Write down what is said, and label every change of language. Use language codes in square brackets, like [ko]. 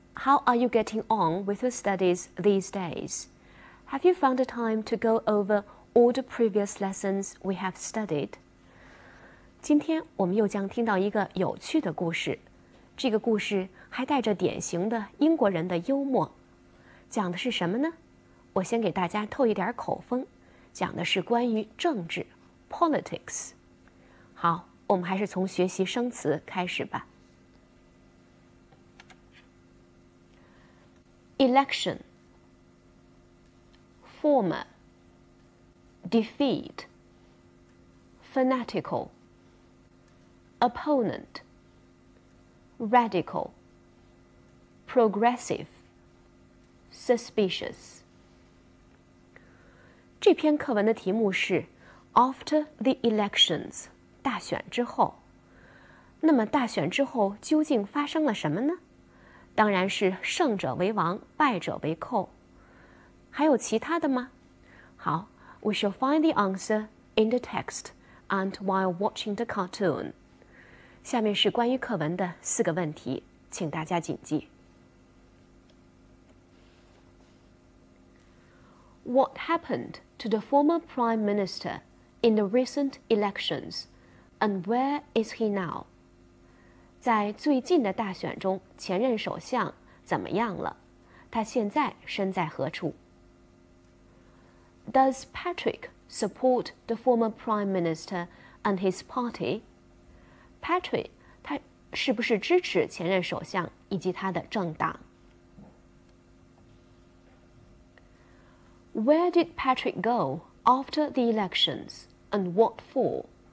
[en] How are you getting on with your studies these days? Have you found the time to go over all the previous lessons we have studied? [zh] 今天我们又将听到一个有趣的故事。这个故事还带着典型的英国人的幽默。讲的是什么呢？我先给大家透一点口风，讲的是关于政治 ,politics。好，我们还是从学习生词开始吧。 [en] Election, former, defeat, fanatical, opponent, radical, progressive, suspicious. [zh] 这篇课文的题目是 After the elections, 大选之后。那么大选之后究竟发生了什么呢？当然是胜者为王，败者为寇。还有其他的吗？ [en] 好 ,we shall find the answer in the text and while watching the cartoon. [zh] 下面是关于课文的四个问题，请大家谨记。 [en] What happened to the former Prime Minister in the recent elections and where is he now? [zh] 在最近的大选中，前任首相怎么样了？他现在身在何处 [en] ？Does Patrick support the former prime minister and his party? Patrick, [zh] 他是不是支持前任首相以及他的政党 [en] ？Where did Patrick go after the elections and what for?